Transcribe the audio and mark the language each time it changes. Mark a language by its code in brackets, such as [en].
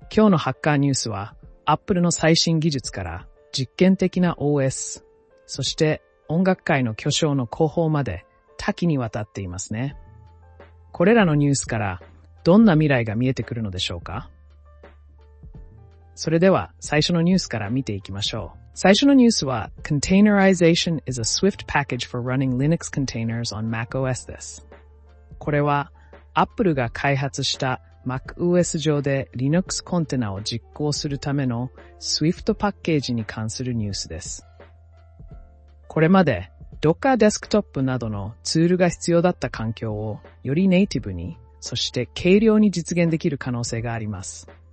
[ja] 今日のハッカーニュースは、Apple の最新技術から、実験的な OS、そして音楽界の巨匠の広報まで、多岐にわたっていますね。これらのニュースから、どんな未来が見えてくるのでしょうか？それでは、最初のニュースから見ていきましょう。最初のニュースは、 [en] Containerization is a Swift package for running Linux containers on macOS [ja] です。これは、Apple が開発した macOS 上で Linux コンテナを実行するための Swift パッケージに関するニュースです。これまで、Docker デスクトップなどのツールが必要だった環境をよりネイティブに、そして軽量に実現できる可能性があります。